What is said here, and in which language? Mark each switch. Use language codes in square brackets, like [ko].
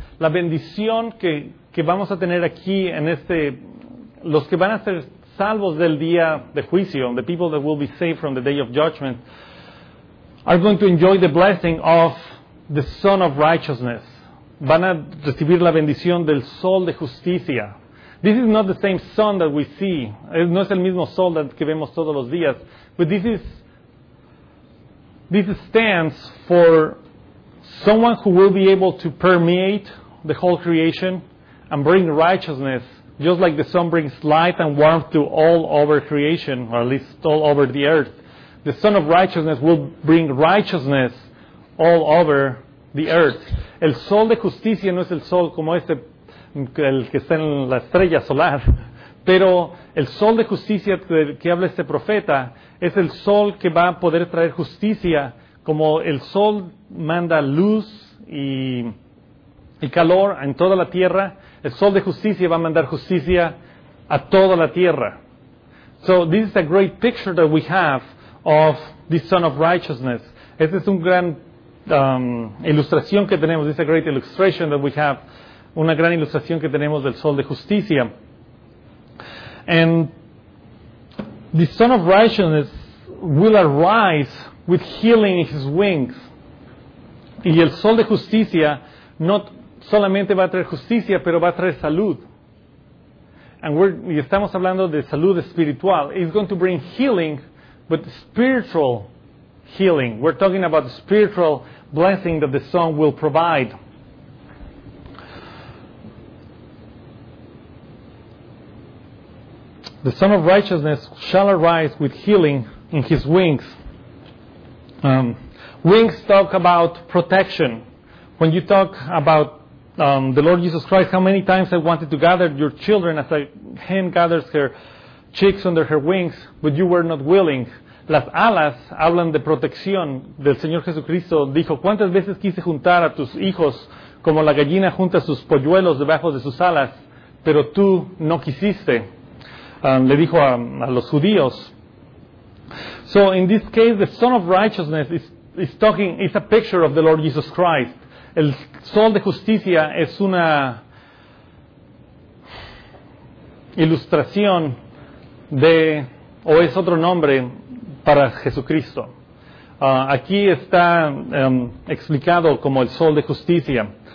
[es] La bendición que vamos a tener aquí en este, los que van a ser salvos del día de juicio, [en] the people that will be saved from the day of judgment, are going to enjoy the blessing of the Son of Righteousness. [es] Van a recibir la bendición del sol de justicia. [en] This is not the same sun that we see. [es] No es el mismo sol que vemos todos los días. [en] But this stands for someone who will be able to permeate the whole creation and bring righteousness, just like the sun brings light and warmth to all over creation, or at least all over the earth. The Son of Righteousness will bring righteousness all over the earth. [es] El sol de justicia no es el sol como este, el que está en la estrella solar. Pero el sol de justicia que habla este profeta es el sol que va a poder traer justicia, como el sol manda luz y calor en toda la tierra. El sol de justicia va a mandar justicia a toda la tierra. [en] So this is a great picture that we have of the Son of Righteousness. [es] Esta es una gran ilustración que tenemos. [en] This is a great illustration that we have. [es] Una gran ilustración que tenemos del Sol de Justicia. [en] And the Son of Righteousness will arise with healing in his wings. [es] Y el Sol de Justicia no solamente va a traer justicia, pero va a traer salud. Y estamos hablando de salud espiritual. [en] It's going to bring healing. But spiritual healing. We're talking about the spiritual blessing that the sun will provide. The Son of Righteousness shall arise with healing in his wings. Wings talk about protection. When you talk about the Lord Jesus Christ, how many times I wanted to gather your children as a hen gathers her chicks under her wings, but you were not willing. [es] Las alas hablan de protección. Del Señor Jesucristo dijo, ¿cuántas veces quise juntar a tus hijos como la gallina junta sus polluelos debajo de sus alas, pero tú no quisiste? Le dijo a los judíos. [en] So in this case, the Son of Righteousness is talking, it's a picture of the Lord Jesus Christ. [es] El Sol de Justicia es una ilustración de, o es otro nombre para Jesucristo. Aquí está explicado como el Sol de Justicia.